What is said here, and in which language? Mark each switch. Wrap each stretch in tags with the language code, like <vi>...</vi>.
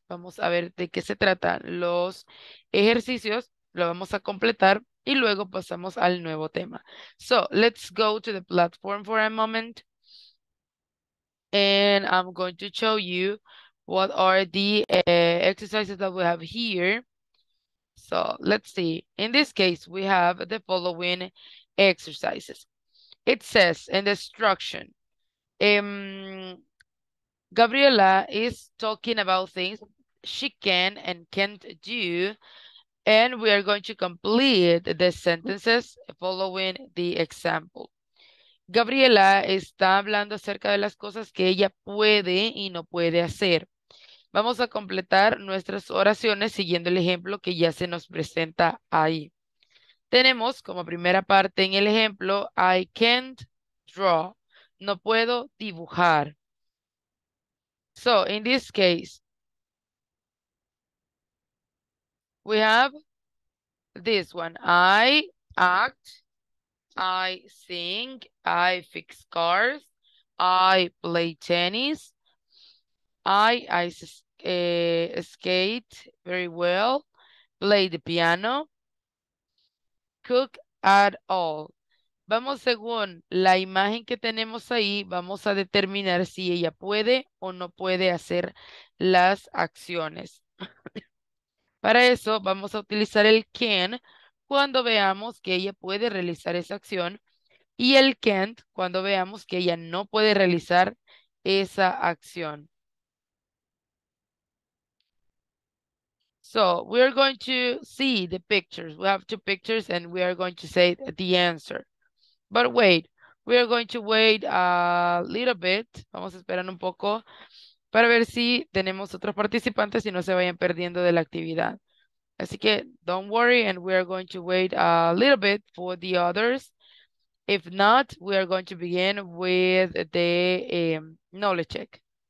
<es>Vamos a ver de qué se tratan los ejercicios, lo vamos a completar y luego pasamos al nuevo tema.</es> <en>So, let's go to the platform for a moment. And I'm going to show you what are the exercises that we have here. So, let's see. In this case, we have the following exercises. It says in the instruction, Gabriela is talking about things she can and can't do, and we are going to complete the sentences following the example.</en> <es>Gabriela está hablando acerca de las cosas que ella puede y no puede hacer. Vamos a completar nuestras oraciones siguiendo el ejemplo que ya se nos presenta ahí. Tenemos como primera parte en el ejemplo,</es> <en>I can't draw.</en> <es>No puedo dibujar.</es> <en>So, in this case, we have this one. I act, I sing, I fix cars, I play tennis, I skate very well, play the piano, cook at all.</en> <es>Vamos según la imagen que tenemos ahí, vamos a determinar si ella puede o no puede hacer las acciones. Para eso vamos a utilizar el can cuando veamos que ella puede realizar esa acción y el can't cuando veamos que ella no puede realizar esa acción.</es> <en>So, we are going to see the pictures. We have two pictures and we are going to say the answer. But wait, we are going to wait a little bit.</en> <es>Vamos a esperar un poco para ver si tenemos otros participantes y no se vayan perdiendo de la actividad. Así que,</es> <en>don't worry, and we are going to wait a little bit for the others. If not, we are going to begin with the knowledge check.</en>